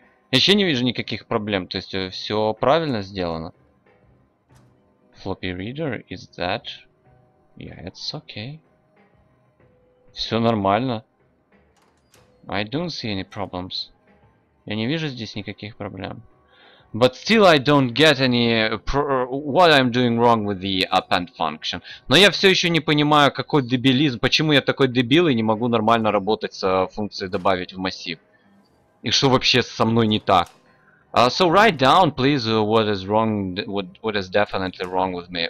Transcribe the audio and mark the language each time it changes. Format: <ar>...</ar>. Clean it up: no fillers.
<ru>Еще не вижу никаких проблем, то есть все правильно сделано.</ru> <en>Floppy reader, is that? Yeah, it's okay.</en> <ru>Все нормально.</ru> <en>I don't see any problems.</en> <ru>Я не вижу здесь никаких проблем.</ru> <en>But still I don't get any what I'm doing wrong with the append function.</en> <ru>Но я все еще не понимаю, какой дебилизм, почему я такой дебил и не могу нормально работать с функцией добавить в массив. И что вообще со мной не так?</ru> <en>So write down, please, what is wrong, what is definitely wrong with me.</en>